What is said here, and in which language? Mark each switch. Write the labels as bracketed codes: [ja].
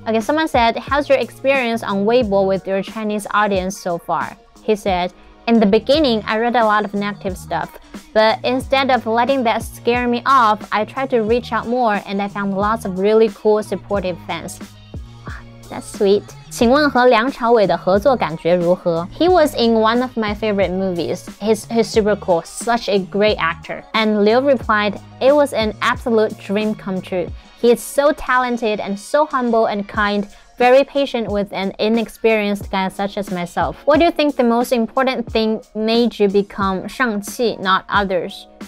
[en] Okay, someone said, how's your experience on Weibo with your Chinese audience so far? He said,In the beginning, I read a lot of negative stuff, but instead of letting that scare me off, I tried to reach out more and I found lots of really cool supportive fans. That's sweet. [zh] 请问和梁朝伟的合作感觉如何? [en] He was in one of my favorite movies. He's super cool, such a great actor. And Liu replied, it was an absolute dream come true. He is so talented and so humble and kind. Very patient with an inexperienced guy such as myself. What do you think the most important thing made you become Shang-Chi, not others?